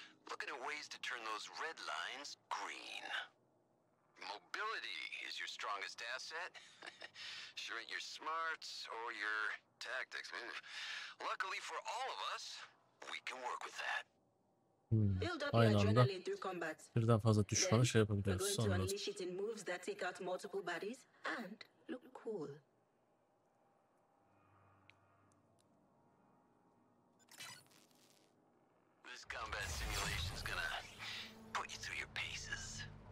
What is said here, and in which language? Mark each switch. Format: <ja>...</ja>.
<en>Looking at ways to turn those red lines green. Mobility is your strongest asset. Sure ain't your smarts or your tactics. Luckily for all of us, we can work with that.</en> <tr>Aynı anda birden fazla düşmanı şey yapabiliriz sanırız.</tr> <en>This combat simulation is gonna put you through your paces.</en>